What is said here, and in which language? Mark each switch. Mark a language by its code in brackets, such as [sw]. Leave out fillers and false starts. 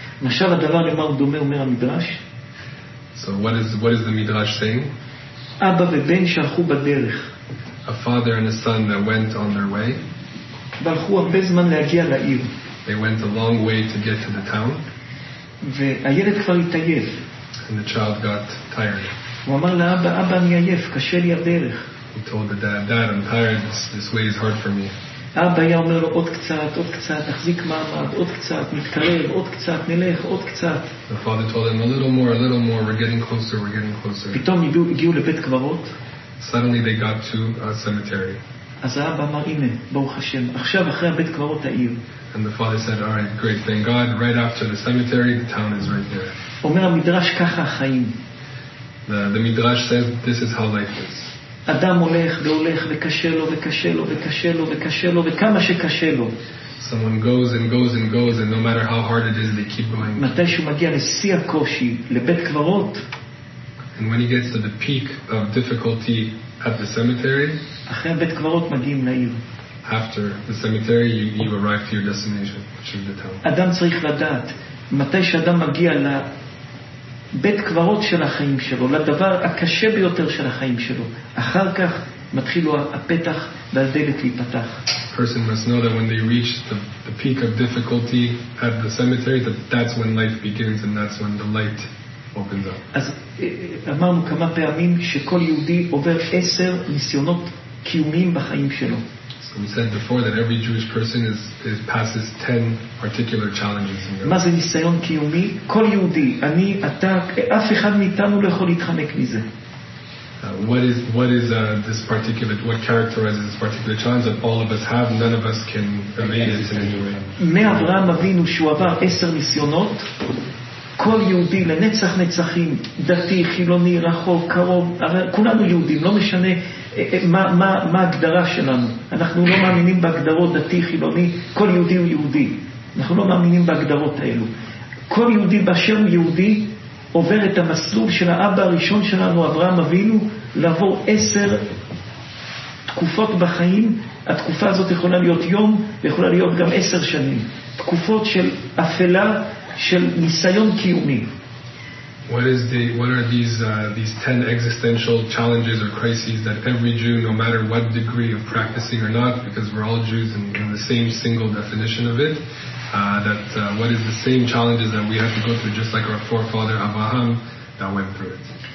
[he] משל הדבר למה הוא דומה אומר המדרש. [en] So what is the midrash saying? [he] אבא ובן שהלכו בדרך. [en] A father and a son that went on their way. [he] והלכו הרבה זמן להגיע לעיר. [en] They went a long way to get to the town. [he] והילד כבר התעייף. [en] And the child got tired. [he] הוא אמר לאבא, אבא אני עייף, קשה לי הדרך. [en] He told the dad, Dad, I'm tired. This way is hard for me. [he] אבא היה אומר לו עוד קצת, עוד קצת, תחזיק מעמד, עוד קצת, מתקרב, עוד קצת, נלך, עוד קצת. [en] The father told him, a little more, a little more, we're getting closer, we're getting closer. [he] פתאום הגיעו לבית קברות. [en] Suddenly they got to a cemetery. [he] אז האבא אמר, הנה, ברוך השם, עכשיו אחרי הבית קברות העיר. [en] And the father said, all right, great, thank God, right after the cemetery, the town is right there. [he] אומר המדרש ככה החיים. [en] The midrash says, this is how life is. [he] אדם הולך והולך וקשה לו וקשה לו וקשה לו וקשה לו וכמה שקשה לו. [en] Someone goes and goes and goes, and no matter how hard it is, they keep going. [he] מתי שהוא מגיע לשיא הקושי, לבית קברות, [en] and when he gets to the peak of difficulty at the cemetery, [he] אחרי בית קברות מגיעים לעיר. [en] After the cemetery, you arrive to your destination, which is the town. [he] אדם צריך לדעת, מתי שאדם מגיע לבית קברות של החיים שלו, לדבר הקשה ביותר של החיים שלו, אחר כך מתחילו הפתח והדלת להיפתח. [en] Person must know that when they reach the peak of difficulty at the cemetery, that's when life begins and that's when the light opens up. [he] אז אמרנו כמה פעמים שכל יהודי עובר 10 ניסיונות קיומיים בחיים שלו. [en] So we said before that every Jewish person passes 10 particular challenges in life. [he] מה זה ניסיון קיומי? כל יהודי, אני, אתה, אף אחד מאיתנו לא יכול להתחמק מזה. [en] What is this particular, what characterizes this particular challenge that all of us have, none of us can evade it in any way. [he] מאברהם אבינו שהוא עבר 10 ניסיונות, כל יהודי לנצח נצחים, דתי, חילוני, רחוק, קרוב, כולנו יהודים, לא משנה מה הגדרה שלנו. אנחנו לא מאמינים בהגדרות דתי, חילוני, כל יהודי הוא יהודי. אנחנו לא מאמינים בהגדרות האלו. כל יהודי באשר הוא יהודי עובר את המסלול של האבא הראשון שלנו, אברהם אבינו, לעבור 10 תקופות בחיים. התקופה הזאת יכולה להיות יום, ויכולה להיות גם 10 שנים. תקופות של אפלה, של ניסיון קיומי. [en] What are these 10 existential challenges or crises that every Jew, no matter what degree of practicing or not, because we're all Jews in the same single definition of it, what is the same challenges that we have to go through, just like our forefather Abraham that went through it?